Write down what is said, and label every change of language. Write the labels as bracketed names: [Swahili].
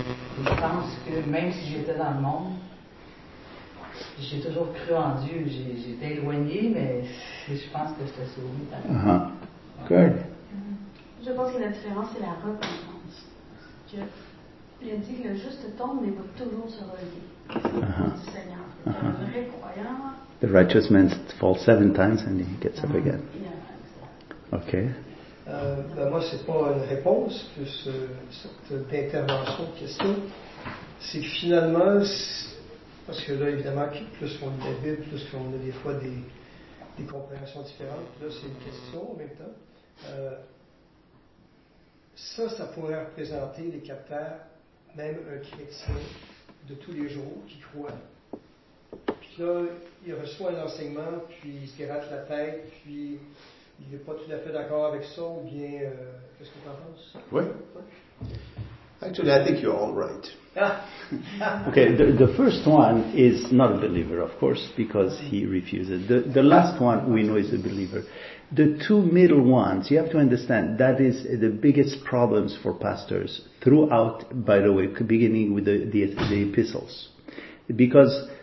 [French] Et je pense que même si j'étais dans le monde, j'ai toujours cru en Dieu. J'étais éloigné, mais je pense que j'étais sauvé. Uh-huh. Ouais. [English] Good. [French] Je pense que la différence, c'est la repentance. Il a dit que le juste tombe, mais va toujours se relever. [English] The righteous man falls seven times and he gets up again. Ok. [French] Ben moi, c'est pas une réponse, plus cette intervention de question. C'est que finalement, parce que là, évidemment, plus on lit la Bible, plus on a des fois des compréhensions différentes, là, c'est une question en même temps. Ça pourrait représenter les capteurs, même un chrétien de tous les jours, qui croit. Puis là, il reçoit l'enseignement, puis il se gratte la tête, puis il n'est pas tout à fait d'accord avec ça, ou bien, qu'est-ce que tu en penses? [English] Oui. Actually, I think you're all right. Ah. Okay, the first one is not a believer, of course, because he refuses. The last one we know is a believer. The two middle ones, you have to understand, that is the biggest problems for pastors throughout, by the way, beginning with the epistles. Because